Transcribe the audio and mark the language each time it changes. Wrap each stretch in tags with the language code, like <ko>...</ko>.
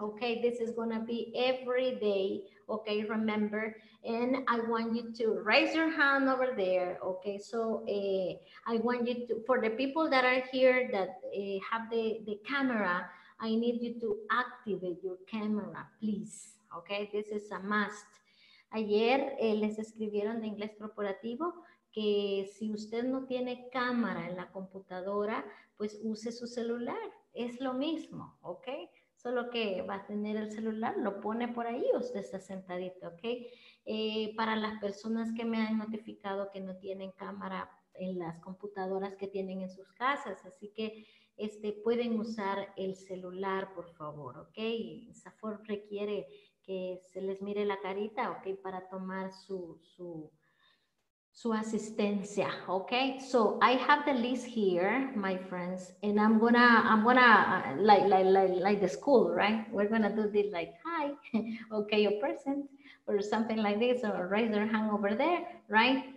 <en>Okay, this is going to be every day. Okay, remember, and I want you to raise your hand over there. Okay, so I want you to, for the people that are here that have the camera, I need you to activate your camera, please. Okay, this is a must.</en> <es>Ayer les escribieron de Inglés Corporativo que si usted no tiene cámara en la computadora, pues use su celular. Es lo mismo, ¿ok? Solo que va a tener el celular, lo pone por ahí, usted está sentadito, ¿ok? Para las personas que me han notificado que no tienen cámara en las computadoras que tienen en sus casas, así que pueden usar el celular, por favor, ¿ok? Safor requiere que se les mire la carita, ¿ok? Para tomar su asistencia, okay?</es> <en>So I have the list here, my friends, and I'm gonna like the school, right? We're gonna do this like, hi, okay, you're present, or something like this, or raise your hand over there, right?</en>